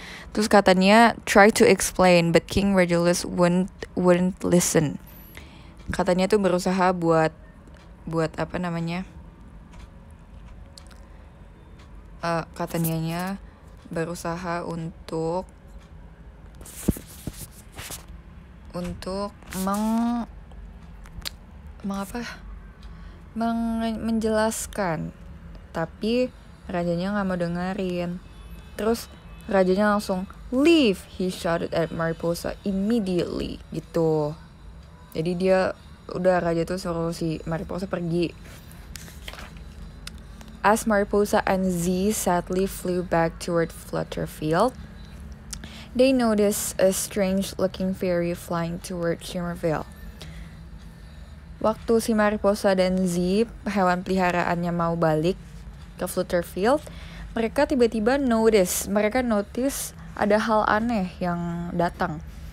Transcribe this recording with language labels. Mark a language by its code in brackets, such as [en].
[id] Terus [en] Catania try to explain, but King Regulus wouldn't listen. [id] Catania tuh berusaha buat apa namanya? Catanianya berusaha untuk menjelaskan, tapi rajanya nggak mau dengerin. Terus rajanya langsung [en] leave, he shouted at Mariposa immediately [id] gitu. Jadi dia udah, raja tuh suruh si Mariposa pergi. [en] As Mariposa and Z sadly flew back toward Flutterfield, they noticed a strange-looking fairy flying toward Shimmerville. [id] Waktu si Mariposa dan Z, hewan peliharaannya, mau balik ke Flutterfield, mereka tiba-tiba notice ada hal aneh yang datang.